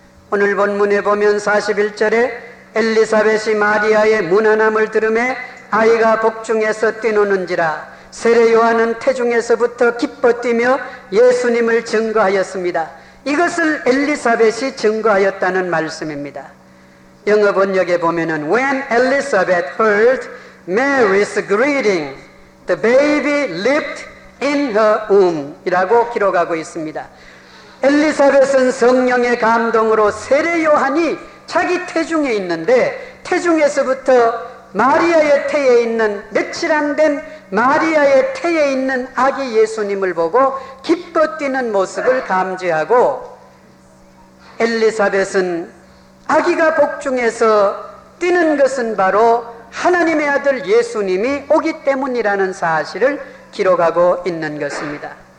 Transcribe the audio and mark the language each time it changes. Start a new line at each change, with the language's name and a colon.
Korean: 오늘 본문에 보면 41절에 엘리사벳이 마리아의 무난함을 들음에 아이가 복중에서 뛰노는지라 세례 요한은 태중에서부터 기뻐뛰며 예수님을 증거하였습니다. 이것을 엘리사벳이 증거하였다는 말씀입니다. 영어 번역에 보면은
English: When Elizabeth heard Mary's greeting, the baby leaped in her womb
Korean: 이라고 기록하고 있습니다. 엘리사벳은 성령의 감동으로 세례 요한이 자기 태중에 있는데 태중에서부터 마리아의 태에 있는 며칠 안 된 마리아의 태에 있는 아기 예수님을 보고 기뻐 뛰는 모습을 감지하고 엘리사벳은 아기가 복중에서 뛰는 것은 바로 하나님의 아들 예수님이 오기 때문이라는 사실을 기록하고 있는 것입니다.